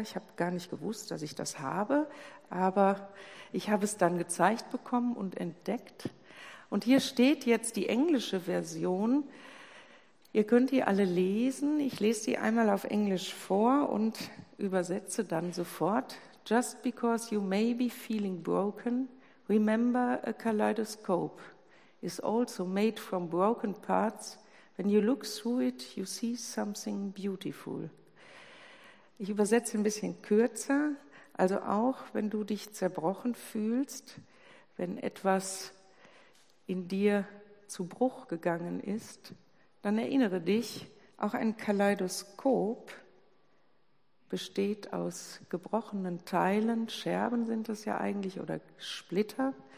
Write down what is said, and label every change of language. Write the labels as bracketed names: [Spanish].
[German] Ich habe gar nicht gewusst, dass ich das habe, aber ich habe es dann gezeigt bekommen und entdeckt. Und hier steht jetzt die englische Version. Ihr könnt die alle lesen. Ich lese die einmal auf Englisch vor und übersetze dann sofort. [English] Just because you may be feeling broken, remember a kaleidoscope is also made from broken parts. When you look through it, you see something beautiful. [German] Ich übersetze ein bisschen kürzer. Also auch wenn du dich zerbrochen fühlst, wenn etwas in dir zu Bruch gegangen ist, dann erinnere dich, auch ein Kaleidoskop besteht aus gebrochenen Teilen, Scherben sind das ja eigentlich, oder Splitter.